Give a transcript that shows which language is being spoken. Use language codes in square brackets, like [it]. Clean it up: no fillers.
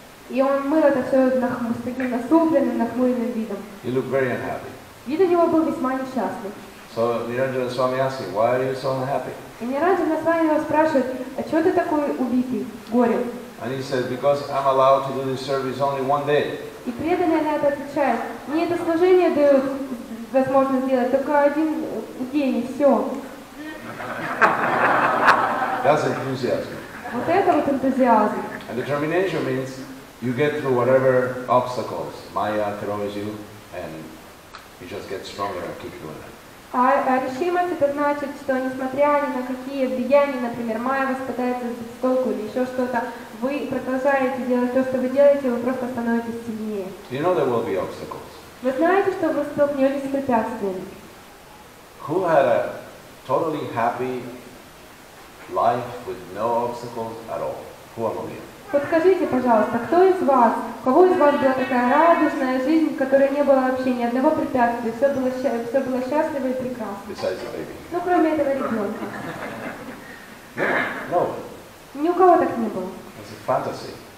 [ru] И он мыл это все с таким насупленным, нахмуренным видом. [en] He looked very unhappy. [ru] Вид у него был весьма несчастный. [en] So Niranjana Swami asked him, why are you so unhappy? [ru] И Ниранджана Свами его спрашивает, а чего ты такой убитый, горе? [en] And he said, because I'm allowed to do this service only one day. [ru] И преданный на это отвечает, мне это служение дают возможность сделать только один день, и все. [en] That's enthusiasm. [ru] Вот это вот энтузиазм. [en] And determination means you get through whatever obstacles Maya throws you, and you just get stronger and keep doing it. [ru] А решимость это значит, что несмотря ни на какие влияния, например, Майя вас пытается с толку или еще что-то, вы продолжаете делать то, что вы делаете, вы просто становитесь сильнее. [en] You know there will be obstacles. [ru] Вы знаете, что вы столкнетесь с препятствиями? [en] Who had a totally happy life with no obstacles at all? Who among you? [ru] Подскажите, пожалуйста, кто из вас, у кого из вас была такая радостная жизнь, в которой не было вообще ни одного препятствия, все было счастливо и прекрасно? [en] Besides the baby. [ru] Ну, кроме этого ребенка. [en] No. [ru] Ни у кого так не было. [en] It's a fantasy.